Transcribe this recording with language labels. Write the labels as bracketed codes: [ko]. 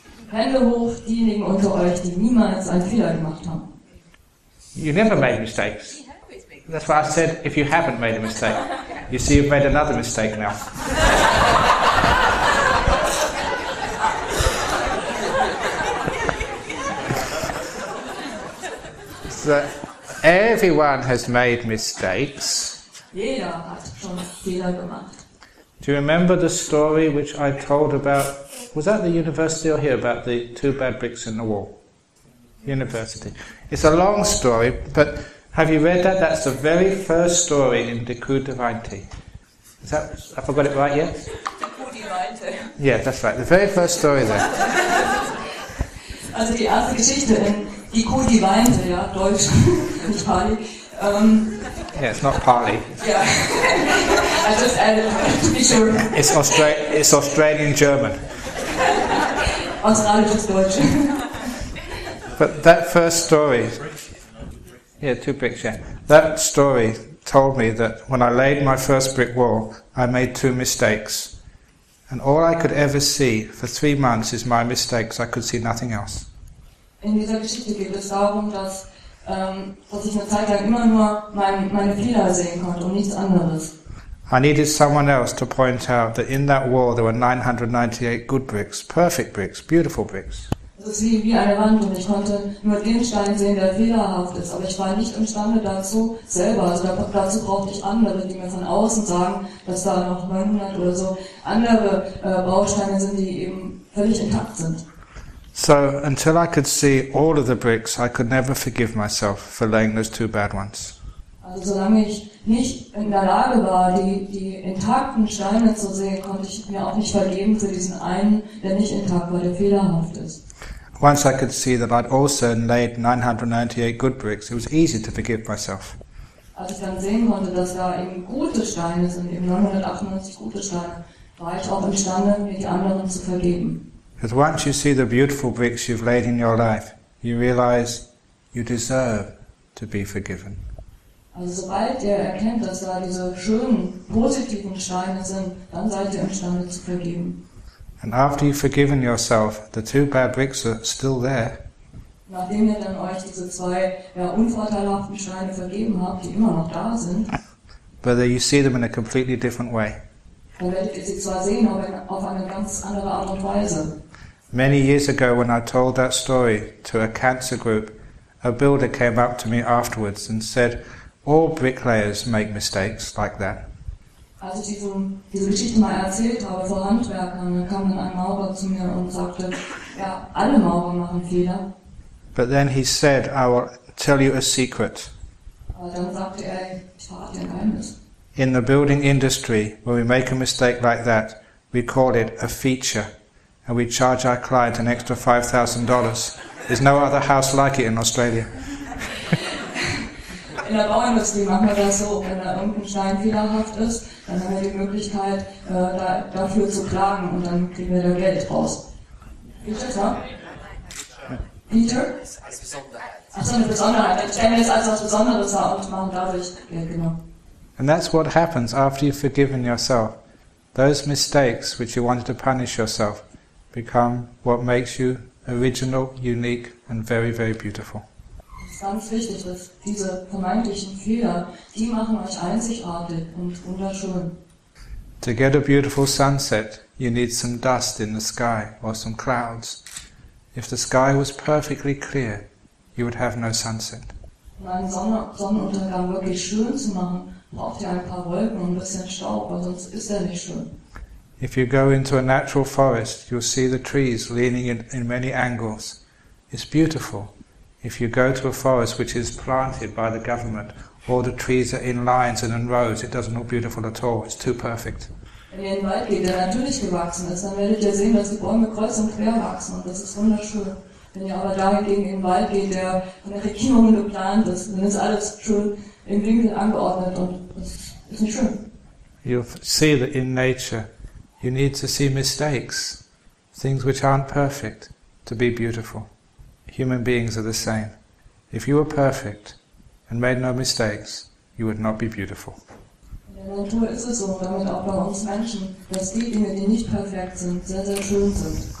[de] Hände hoch diejenigen unter euch, die niemals einen Fehler gemacht haben. [en] You never made mistakes. That's why I said if you haven't made a mistake. You see, you've made another mistake now. So, everyone has made mistakes. [de] Jeder hat schon Fehler gemacht. [en] Do you remember the story which I told about, was that the university or here, about the two bad bricks in the wall? University. It's a long story, but have you read that? That's the very first story in Deku Devainte. Is that, I forgot it right, yes? Deku Devainte. Yeah, that's right, the very first story there. [de] Also die erste Geschichte in Die Kuh, die weinte, ja, Deutsch, nicht Pali. [en] Yeah, it's not Pali. Yeah, I just added, to be sure. It's Australian German. [de] Australisches Deutsch. [en] But that first story, yeah, two bricks, yeah. That story told me that when I laid my first brick wall, I made two mistakes. And all I could ever see for 3 months is my mistakes, I could see nothing else. [de] In dieser Geschichte geht es darum, dass ich eine Zeit lang immer nur meine Fehler sehen konnte und nichts anderes. [en] I needed someone else to point out that in that wall there were 998 good bricks, perfect bricks, beautiful bricks. [de] Es ist wie eine Wand und ich konnte nur den Stein sehen, der fehlerhaft ist, aber ich war nicht imstande dazu selber. Also dazu brauchte ich andere, die mir von außen sagen, dass da noch 900 oder so andere Bausteine sind, die eben völlig intakt sind. [en] So, until I could see all of the bricks, I could never forgive myself for laying those two bad ones. [de] Also, solange ich nicht in der Lage war, die intakten Steine zu sehen, konnte ich mir auch nicht vergeben für diesen einen, der nicht intakt war, der fehlerhaft ist. [en] Once I could see that I'd also laid 998 good bricks, it was easy to forgive myself. [de] Als ich dann sehen konnte, dass da eben gute Steine sind, eben 998 gute Steine, war ich auch imstande, mir die anderen zu vergeben. [en] Because once you see the beautiful bricks you've laid in your life, you realize you deserve to be forgiven. [de] Also sobald ihr erkennt, dass da diese schönen, positiven Steine sind, dann seid ihr imstande zu vergeben. [en] And after you've forgiven yourself, the two bad bricks are still there. [de] Nachdem ihr dann euch diese zwei unvorteilhaften Steine vergeben habt, die immer noch da sind, [en] but you see them in a completely different way. [de] Dann werdet ihr sie zwar sehen, aber auf eine ganz andere Art und Weise. [en] Many years ago, when I told that story to a cancer group, a builder came up to me afterwards and said, all bricklayers make mistakes like that. [de] Als ich diese Geschichte mal erzählt habe vor Handwerkern, dann kam ein Maurer zu mir und sagte, ja, alle Maurer machen Fehler. [en] But then he said, I will tell you a secret. [de] Aber dann sagte er, ich verrate dir ein Geheimnis. [en] In the building industry, when we make a mistake like that, we call it a feature. And we charge our client an extra $5,000. There's no other house like it in Australia. [de] In der Bauindustrie machen wir das so, wenn da irgendein Stein fehlerhaft ist, dann haben wir die Möglichkeit, dafür zu klagen und dann kriegen wir da Geld raus. Peter? Ach so, eine Besonderheit. Dann stellen wir es als etwas Besonderes dar und machen dadurch Geld, genau. [en] And that's what happens after you've forgiven yourself. Those mistakes which you wanted to punish yourself become what makes you original, unique, and very, very beautiful. [de] Das ganz wichtig ist, diese vermeintlichen Fehler, die machen euch einzigartig und wunderschön. [en] To get a beautiful sunset, you need some dust in the sky or some clouds. If the sky was perfectly clear, you would have no sunset. [de] Um einen Sonnenuntergang wirklich schön zu machen, braucht ihr ein paar Wolken und ein bisschen Staub, weil sonst ist er nicht schön. [en] If you go into a natural forest, you'll see the trees leaning in many angles. It's beautiful. If you go to a forest which is planted by the government, all the trees are in lines and in rows. It doesn't look beautiful at all. It's too perfect. [de] Wenn ihr in den Wald geht, der natürlich gewachsen ist, dann werdet ihr sehen, dass die Bäume kreuz und quer wachsen und das ist wunderschön. Wenn ihr aber dagegen in den Wald geht, der von der Regierung geplant ist, dann ist alles schön im Winkel angeordnet und das ist nicht schön. [en] You'll see that in nature, you need to see mistakes, things which aren't perfect, to be beautiful. Human beings are the same. If you were perfect and made no mistakes, you would not be beautiful. [de] In der Natur ist es so, damit auch bei uns Menschen, dass die Dinge, die nicht perfekt sind, sehr, sehr schön sind.